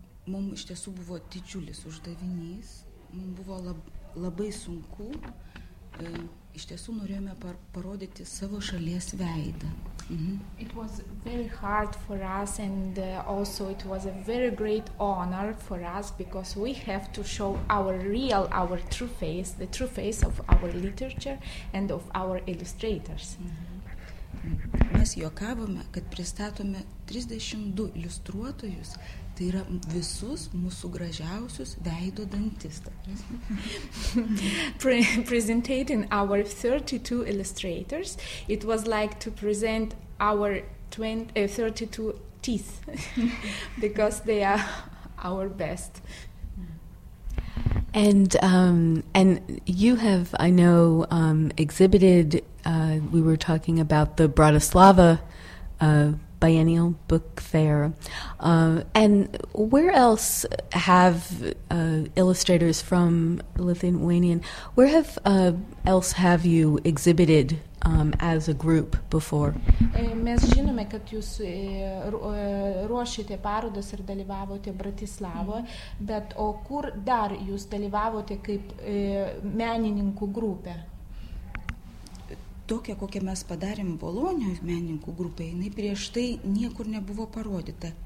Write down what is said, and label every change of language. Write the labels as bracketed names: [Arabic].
[Lithuanian] Mums iš tiesų buvo didžiulis uždavinys. Mums buvo labai sunku. Iš tiesų norėjome parodyti savo šalies veidą. [English] It was very hard for us, and also it was a very great honor for us because we have to show our true face, the true face of our literature and of our illustrators. [Lithuanian] Mes juokavome, kad pristatome 32 iliustruotojus. Tai yra visus mūsų gražiausius veido dantistas. [English] Presenting our 32 illustrators, it was like to present our 32 teeth, because they are our best. And you have, I know, exhibited, we were talking about the Bratislava Biennial Book Fair. And where else have illustrators from Lithuanian, where have else have you exhibited as a group before? [Lithuanian] Mes žinome, kad jūs ruošite parodas ir dalyvavote Bratislavoje, bet o kur dar jūs dalyvavote kaip menininkų grupė? Tokia, kokią mes padarėme Bolonijos menininkų grupė, jinai prieš tai niekur nebuvo parodyta.